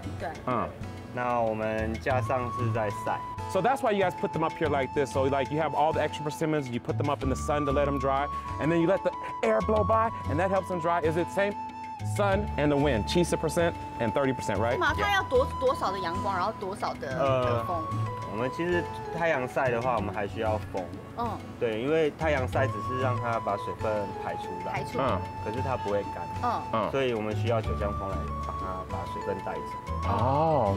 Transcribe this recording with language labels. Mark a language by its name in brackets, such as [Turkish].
[Chinese] 因为我们知道柿子的产季很短，所以我们现在在做一些就是什么事情。柿子产季是九月到一月嘛。对。一月那它制成的话也大概差不多一个礼拜这样。对。那我们架上是在晒。 [English] So that's why you guys put them up here like this. So like you have all the extra persimmons, you put them up in the sun to let them dry, and then you let the air blow by, and that helps them dry. Is it the same? Sun and the wind, 70% and 30%, right? [Chinese] 它要多少的阳光，然后多少的风？我们其实太阳晒的话，我们还需要风。对，因为太阳晒只是让它把水分排出来。可是它不会干。所以我们需要九降风来把水分带走。